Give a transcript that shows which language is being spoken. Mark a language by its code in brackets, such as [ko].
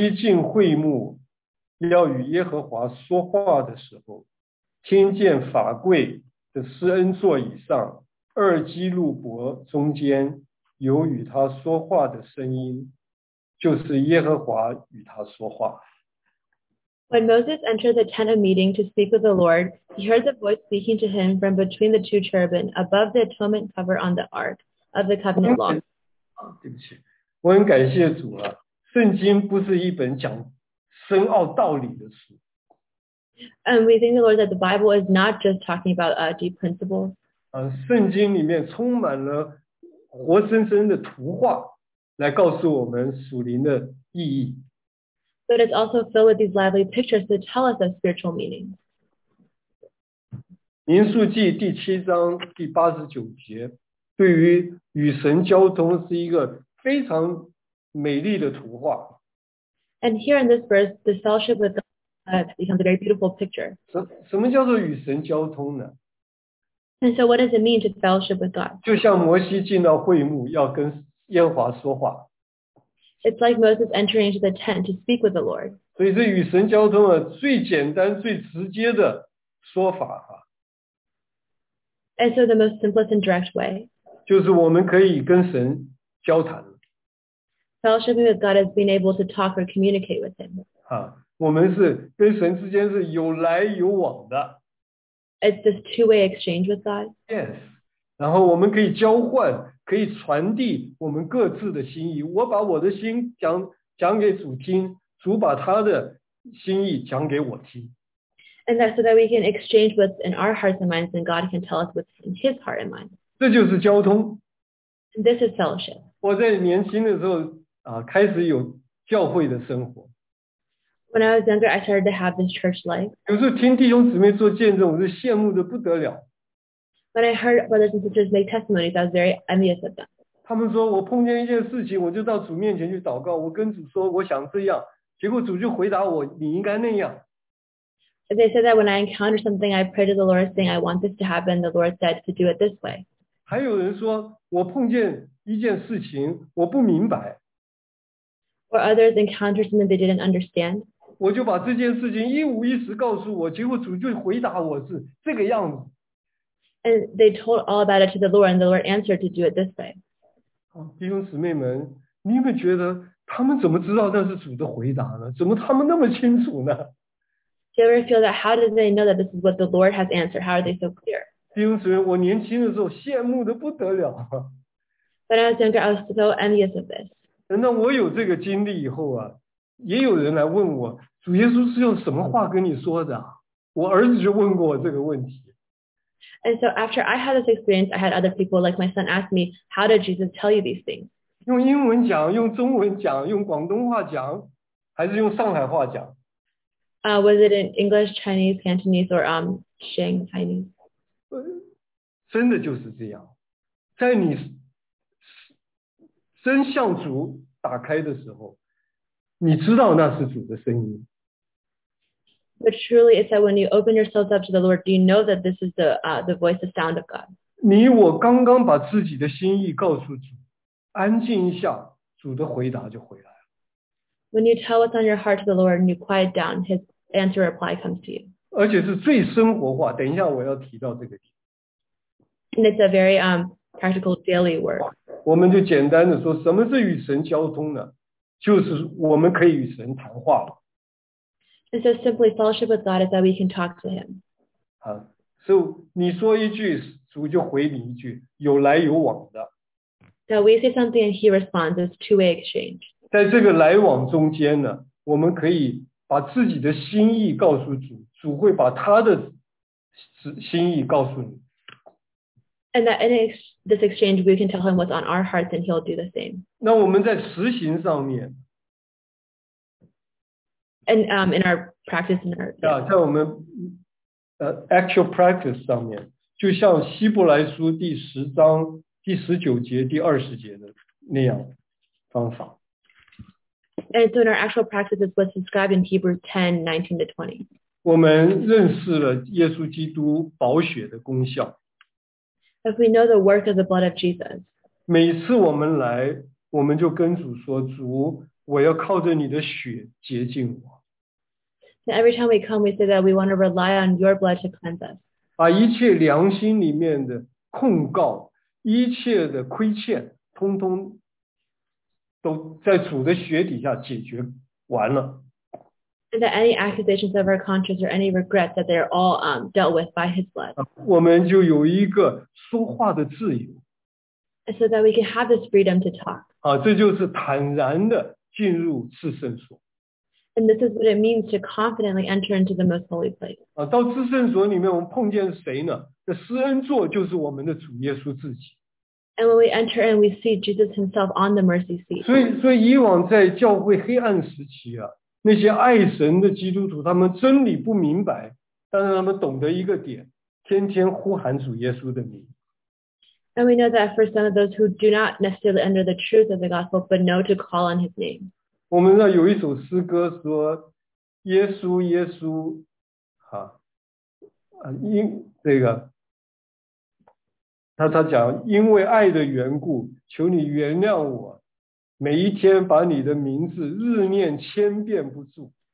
[zh] 摩西进会幕要与耶和华说话的时候，听见法柜的施恩座椅上二基路伯中间有与他说话的声音，就是耶和华与他说话。 [en] When Moses entered the tent of meeting to speak with the Lord, he heard the voice speaking to him from between the two cherubim above the atonement cover on the ark of the covenant law. [zh] 对不起，我很感谢主啊，圣经不是一本讲深奥道理的书。 [en] And we thank the Lord that the Bible is not just talking about deep principles. [zh] 圣经里面充满了活生生的图画来告诉我们属灵的意义。 [en] But it's also filled with these lively pictures to tell us of spiritual meanings. [zh] 民数记第七章第八十九节对于与神交通是一个非常美丽的图画。 [en] And here in this verse, the fellowship with God becomes a very beautiful picture. [zh] 什么叫做与神交通呢？ [en] And so what does it mean to fellowship with God? [zh] 就像摩西进到会幕要跟耶和华说话。 [en] It's like Moses entering into the tent to speak with the Lord. [zh] 所以这与神交通的最简单最直接的说法。 [en] And so the most simplest and direct way. [zh] 就是我们可以跟神交谈。 [en] Fellowshipping with God is being able to talk or communicate with Him. [zh] 啊，我们是跟神之间是有来有往的。 [en] It's this two-way exchange with God. Yes. [zh] 然后我们可以交换，可以传递我们各自的心意。我把我的心讲给主听，主把他的心意讲给我听。 [en] And that's so that we can exchange what's in our hearts and minds, and God can tell us what's in His heart and mind. [zh] 这就是交通。 [en] This is fellowship. [zh] 我在年轻的时候啊，开始有教会的生活。 [en] When I was younger, I started to have this church life. [zh] 有时候听弟兄姊妹做见证，我是羡慕的不得了。 [en] When I heard brothers and sisters make testimonies, I was very envious of them. [zh] 他们说我碰见一件事情，我就到主面前去祷告，我跟主说我想这样，结果主就回答我，你应该那样。 [en] They said that when I encounter something, I pray to the Lord saying, I want this to happen. The Lord said to do it this way. [zh] 还有人说，我碰见一件事情，我不明白。 [en] Or others encounter something they didn't understand. [zh] 我就把这件事情一五一十告诉我，结果主就回答我是这个样子。 [en] And they told all about it to the Lord, and the Lord answered to do it this way. [zh] 弟兄姊妹们，你们觉得他们怎么知道那是主的回答呢？怎么他们那么清楚呢？ [en] Do you ever feel that? How do they know that this is what the Lord has answered? How are they so clear? [zh] 弟兄姊妹，我年轻的时候羡慕的不得了。 [en] When I was younger, I was so envious of this. [zh] 等到我有这个经历以后啊，也有人来问我，主耶稣是用什么话跟你说的？我儿子就问过我这个问题。 [en] And so after I had this experience, I had other people like my son ask me, how did Jesus tell you these things? [zh] 用英文讲，用中文讲，用广东话讲，还是用上海话讲？ [en] Was it in English, Chinese, Cantonese, or Shang Chinese? [zh] 真的就是这样，在你真向主打开的时候，你知道那是主的声音。 [en] But truly, it's that when you open yourselves up to the Lord, do you know that this is the voice, the sound of God? [zh] 你我刚刚把自己的心意告诉主，安静一下，主的回答就回来。 [en] When you tell what's on your heart to the Lord and you quiet down, His answer or reply comes to you. [zh] 而且是最生活化，等一下我要提到这个点。 [en] And it's a very practical daily word. [zh] 我们就简单的说，什么是与神交通呢？就是我们可以与神谈话。 [en] And so simply fellowship with God is that we can talk to Him. [zh] So 你说一句，主就回你一句，有来有往的。 [en] So we say something and He responds, it's two-way exchange. [zh] 在这个来往中间呢，我们可以把自己的心意告诉主，主会把他的心意告诉你。 [en] And that in this exchange, we can tell him what's on our hearts, and he'll do the same. [zh] 那我们在实行上面 [en] ，and in our practice, in our [zh] 在我们 [en] actual practice [zh] 上面，就像希伯来书第十章第十九节、第二十节的那样方法。 [en] And so in our actual practice, it's what's described in Hebrews 10, 19 to 20. [zh] 我们认识了耶稣基督宝血的功效。 [en] If we know the work of the blood of Jesus. [zh] 每次我们来，我们就跟主说，主，我要靠着你的血洁净我。 [en] And every time we come, we say that we want to rely on your blood to cleanse us. [zh] 把一切良心里面的控告，一切的亏欠，通通。都在主的血底下解决完了。 [en] That any accusations of our conscience or any regrets that they're all dealt with by His blood. [zh] 我们就有一个说话的自由。 [en] And so that we can have this freedom to talk. [zh] 这就是坦然的进入至圣所。 [en] And this is what it means to confidently enter into the most holy place. [zh] 到至圣所里面，我们碰见谁呢？这施恩座就是我们的主耶稣自己。 [en] And when we enter in, we see Jesus Himself on the mercy seat. [zh] 所以以往在教会黑暗时期啊，那些爱神的基督徒，他们真理不明白，但是他们懂得一个点，天天呼喊主耶稣的名。 [en] And we know that for some of those who do not necessarily under the truth of the gospel, but know to call on his name. [zh] 我们知道有一首诗歌说耶稣耶稣哈、啊、因这个他讲因为爱的缘故求你原谅我每一天把你的名字日念千遍不住。